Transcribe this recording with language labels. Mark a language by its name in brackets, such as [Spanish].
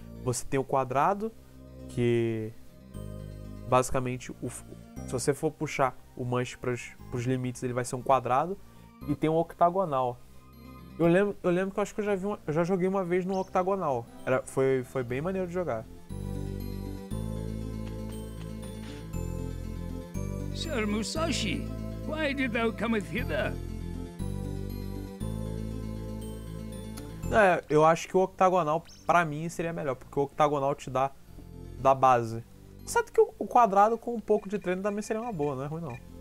[Portuguese] Você tem o quadrado, que basicamente se você for puxar o manche para os limites, ele vai ser um quadrado. E tem o octagonal. Eu lembro que eu acho que eu já joguei uma vez no octagonal. Foi bem maneiro de jogar. [English] Sr. Musashi, why did thou cometh hither? [Portuguese] É, eu acho que o octagonal, pra mim, seria melhor, porque o octagonal te dá base. Certo que o quadrado com um pouco de treino também seria uma boa, não é ruim não.